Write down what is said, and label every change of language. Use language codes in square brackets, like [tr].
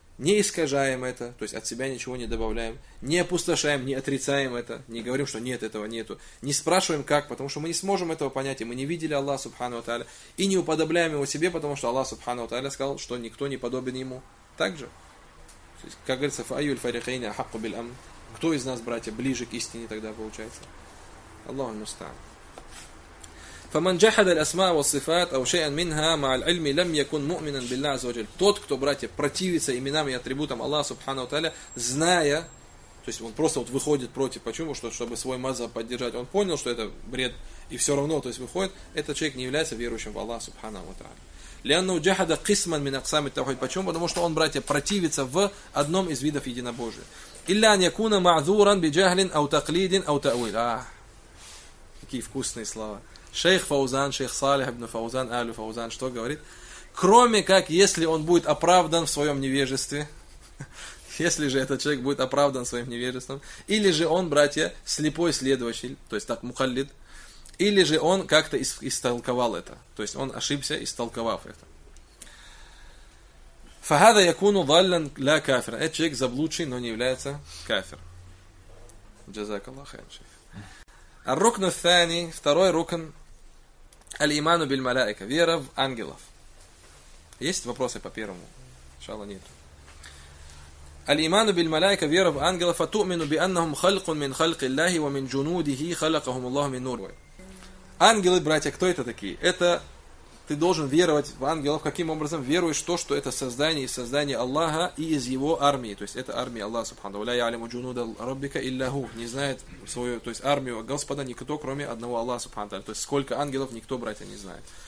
[ru] Не искажаем это, то есть от себя ничего не добавляем, не опустошаем, не отрицаем это, не говорим, что нет, этого нету, не спрашиваем как, потому что мы не сможем этого понять, и мы не видели Аллаха Субхану Тааля, и не уподобляем его себе, потому что Аллах Субхану Тааля сказал, что никто не подобен ему. Так же? То есть, как говорится, [ar] «Файюль фарихейна хаку биль ам». [ru] Кто из нас, братья, ближе к истине тогда получается? Аллаху мустаан. [ar] فمن جحد الأسماء والصفات أو شيئا منها مع العلم لم يكن مؤمنا بالله عز وجل. [ru] Тот, кто, братья, противится именам и атрибутам Аллаха Субхану Тааля, зная, то есть он просто вот выходит против, почему? Что, чтобы свой мазхаб поддержать. Он понял, что это бред, и все равно, то есть выходит, этот человек не является верующим в Аллаха Субхану Тааля. [ar] لأنه جحد قسما من أقسام التوحيد. [ru] Почему? Потому что он, братья, противится в одном из видов единобожия. [ar] إلا أن يكون معذورا بجهل أو تقليد أو تأويل. [ru] Какие вкусные слова. Шейх Фаузан, шейх Салих ибн Фаузан, Алю Фаузан, что говорит? Кроме как, если он будет оправдан в своем невежестве, если же этот человек будет оправдан своим невежеством, или же он, братья, слепой следователь, то есть так, мухаллид, или же он как-то истолковал это, то есть он ошибся, истолковав это. [ar] فهذا يكون ضالا لا كافرا. [ru] Этот человек заблудший, но не является кафир. [ar] جزاك الله خير شيخ. الركن الثاني, [ru] второй рукн, [ar] الايمان بالملائكه, [ru] вера в ангелов. Есть вопросы по первому? Шала нету. [ar] الايمان بالملائكه, [ru] вера в ангелов, [ar] فتؤمن بانهم خلق من خلق الله ومن جنوده خلقهم الله من نور. [ru] Ангелы, братья, кто это такие? Это ты должен веровать в ангелов. Каким образом? Веруешь в то, что это создание из создания Аллаха и из его армии. То есть, это армия Аллаха Субхану. [ar] «Ля я'лиму джунуда раббика илляху». [ru] Не знает свою, то есть, армию Господа никто, кроме одного Аллаха Субхану. То есть, сколько ангелов, никто, братья, не знает.